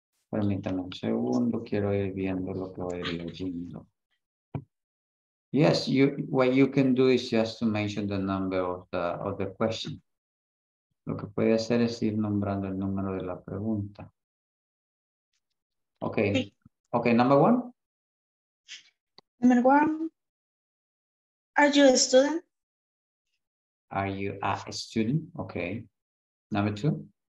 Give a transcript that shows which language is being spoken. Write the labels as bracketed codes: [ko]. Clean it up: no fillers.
[es] Permítame un segundo, quiero ir viendo lo que voy leyendo. [en] Yes, what you can do is just to mention the number of the question. [es] Lo que puede hacer es ir nombrando el número de la pregunta. [en] Okay, sí. Okay, number one. Number one, are you a student? Are you a student? Okay. Number two.